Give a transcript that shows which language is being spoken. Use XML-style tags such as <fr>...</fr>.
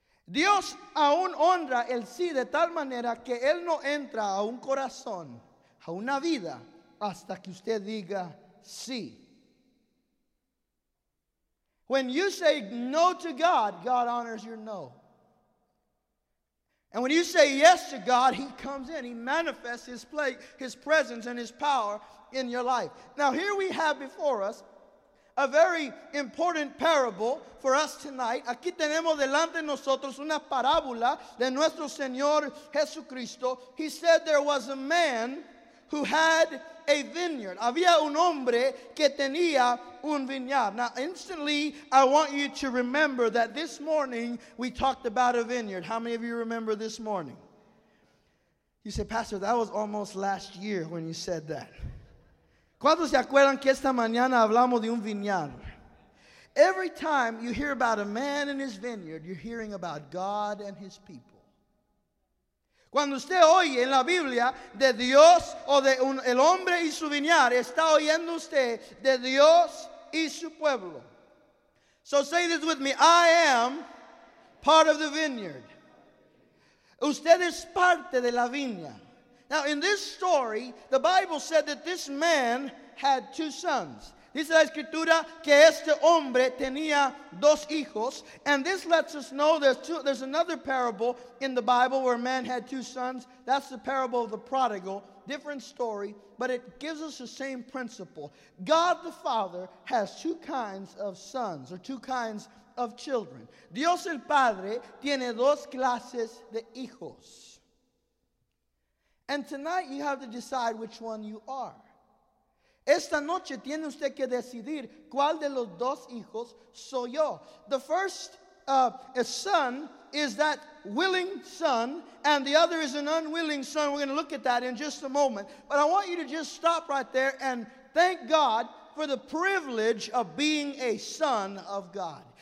<es>Dios aún honra el sí de tal manera que Él no entra a un corazón, a una vida, hasta que usted diga see.</es> <en>When you say no to God, God honors your no. And when you say yes to God, He comes in. He manifests His place, His presence and His power in your life. Now here we have before us a very important parable for us tonight.</en> <es>Aquí tenemos delante nosotros una parábola de nuestro Señor Jesucristo.</es> <en>He said there was a man who had a vineyard.</en> <es>Había un hombre que tenía un viñedo.</es> <en>Now, instantly, I want you to remember that this morning we talked about a vineyard. How many of you remember this morning? You say, Pastor, that was almost last year when you said that.</en> <es>¿Cuántos se acuerdan que esta mañana hablamos de un viñedo?</es> <en>Every time you hear about a man and his vineyard, you're hearing about God and His people.</en> <es>Cuando usted oye en la Biblia de Dios o de el hombre y su viñar, está oyendo usted de Dios y su pueblo.</es> <en>So say this with me. I am part of the vineyard.</en> <es>Usted es parte de la viña.</es> <en>Now in this story, the Bible said that this man had two sons.</en> <es>Dice la escritura que este hombre tenía dos hijos.</es> <en>And this lets us know there's another parable in the Bible where a man had two sons. That's the parable of the prodigal. Different story, but it gives us the same principle. God the Father has two kinds of sons or two kinds of children.</en> <es>Dios el Padre tiene dos clases de hijos.</es> <en>And tonight you have to decide which one you are.</en> <es>Esta noche tiene usted que decidir cuál de los dos hijos soy yo.</es> <en>The first son is that willing son, and the other is an unwilling son. We're going to look at that in just a moment. But I want you to just stop right there and thank God for the privilege of being a son of God.</en>